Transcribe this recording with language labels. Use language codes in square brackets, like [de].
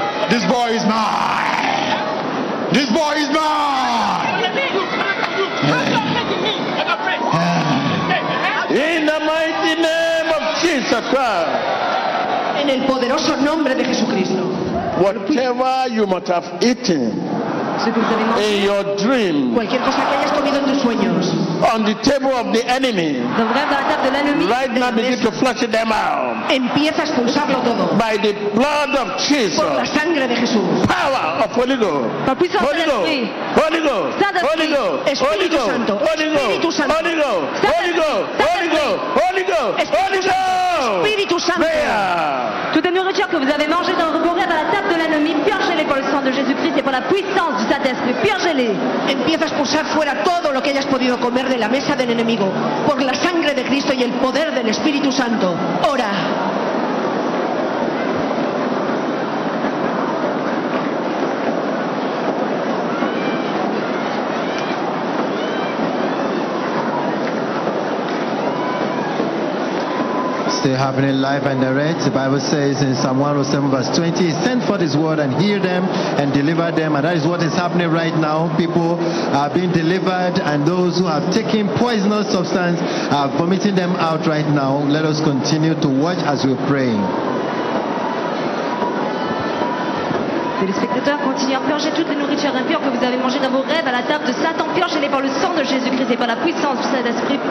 [en] This boy is mine. This boy is mine. In the mighty name of Jesus Christ. [es] En el poderoso nombre de Jesucristo. [en] Whatever you might have eaten in your dream, [es] cualquier cosa que hayas comido en tus sueños, [en] on the table of the enemy, right now begin to flush them out. [es] Empieza a expulsarlo todo. [en] By the blood of Jesus. [es] Por la sangre de Jesús. [en] Power of Holy Ghost. Holy Ghost. Holy Ghost. Holy Ghost. Holy Ghost. Holy Ghost. Holy Ghost. Holy Ghost. Holy Ghost. Holy Ghost. Holy Ghost. Holy Ghost. [es] Spiritu Santo. [fr] Toutes les nourritures que vous avez mangées dans vos rêves à la table de l'ennemi, purgez-les pour le sang de Jésus-Christ et pour la puissance du Saint-Esprit. Purgez-les. [es] Empieza a expulsar fuera todo lo que hayas podido comer de la mesa del enemigo por la sangre de Cristo y el poder del Espíritu Santo. Ora. [en] Es still happening live and direct. The Bible says in Psalm 107 verse 20, he sent forth his word and healed them and delivered them. And that is what is happening right now. People are being delivered, and those who have taken poisonous substance are vomiting them out right now. Let us continue to watch as we're praying. [fr] Les spectateurs continuent à purger toutes les nourritures impures que vous avez mangées dans vos rêves à la table de Satan, purgez-les par le sang de Jésus-Christ et par la puissance du Saint-Esprit.